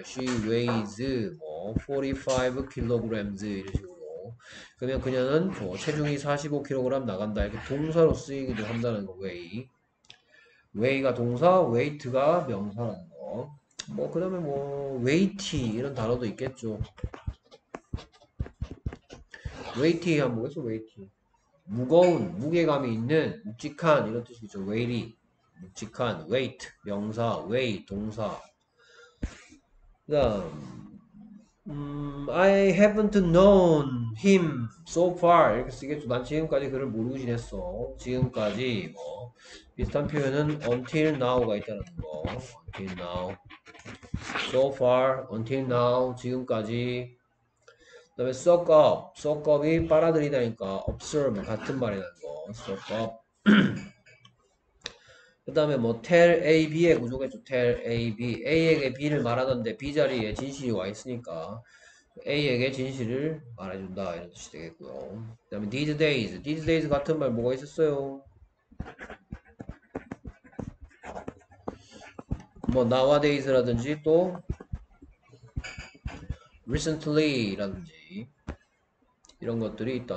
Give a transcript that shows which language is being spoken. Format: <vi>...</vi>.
<en>she weighs</en> <ko>뭐 45kg 이런 식으로 그러면 그녀는 뭐 체중이 45kg 나간다 이렇게 동사로 쓰이기도 한다는 거 weigh가 동사 weight가 명사라는 거뭐 그다음에 뭐 weighty 이런 단어도 있겠죠. weighty 한번 해서 weighty 무거운 무게감이 있는 묵직한 이런 뜻이죠. weighty 묵직한 weight 명사 weigh 동사 그다음</ko> <en>I haven't known him so far</en> <ko>이렇게 쓰겠죠. 난 지금까지 그를 모르고 지냈어. 지금까지 뭐 비슷한 표현은</ko> <en>until now</en> <ko>가 있다는 거.</ko> <en>until now so far until now</en> <ko>지금까지 그다음에 suck up이 빨아들이다니까 observe 같은 말이라는 거 suck up 그 다음에 뭐 tell A, B의 구조겠죠.</ko> <en>tell A, B.</en> <ko>A에게 B를 말하던데 B 자리에 진실이 와 있으니까 A에게 진실을 말해준다 이런 뜻이 되겠고요. 그 다음에 these days 같은 말 뭐가 있었어요? 뭐 nowadays라든지 또 recently라든지 이런 것들이 있다.</ko>